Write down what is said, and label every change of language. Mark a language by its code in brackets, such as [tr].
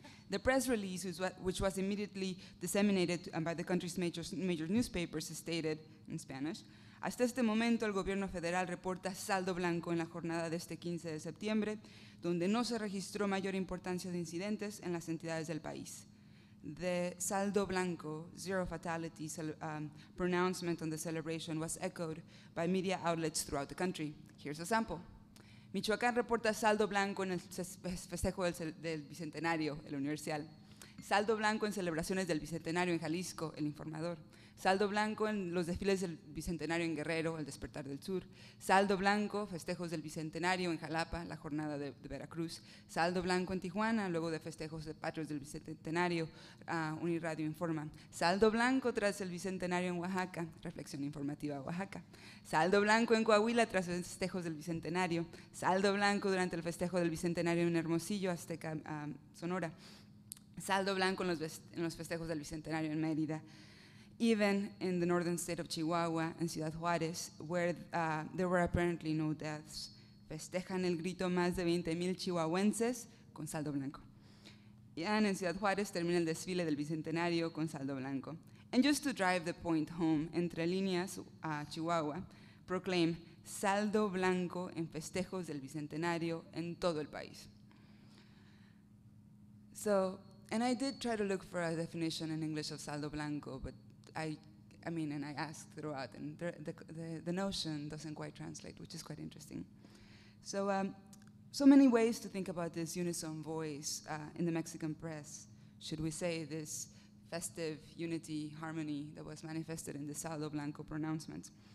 [en] The press release, which was immediately disseminated by the country's major newspapers, stated in Spanish, [es] hasta este momento, el gobierno federal reporta saldo blanco en la jornada de este 15 de septiembre, donde no se registró mayor importancia de incidentes en las entidades del país. [en] The saldo blanco, zero fatalities pronouncement on the celebration was echoed by media outlets throughout the country. Here's a sample. [es] Michoacán reporta saldo blanco en el festejo del bicentenario, el Universal. Saldo blanco en celebraciones del bicentenario en Jalisco, el Informador. Saldo blanco en los desfiles del Bicentenario en Guerrero, el Despertar del Sur. Saldo blanco, festejos del Bicentenario en Jalapa, la Jornada de Veracruz. Saldo blanco en Tijuana, luego de festejos de patrios del Bicentenario, Uniradio informa. Saldo blanco tras el Bicentenario en Oaxaca, Reflexión Informativa Oaxaca. Saldo blanco en Coahuila tras festejos del Bicentenario. Saldo blanco durante el festejo del Bicentenario en Hermosillo, Azteca, Sonora. Saldo blanco en los festejos del Bicentenario en Mérida. [en] Even in the northern state of Chihuahua and Ciudad Juarez, where there were apparently no deaths. [es] Festejan el grito más de 20,000 chihuahuenses con saldo blanco. [en] And in [es] Ciudad Juarez, termina el desfile del Bicentenario con saldo blanco. [en] And just to drive the point home, [es] entre líneas, Chihuahua, [en] proclaim [es] saldo blanco en festejos del Bicentenario en todo el país. [en] So, and I did try to look for a definition in English of saldo blanco, but I asked throughout, and the notion doesn't quite translate, which is quite interesting. So so many ways to think about this unison voice in the Mexican press, should we say, this festive unity, harmony that was manifested in the saldo blanco pronouncement.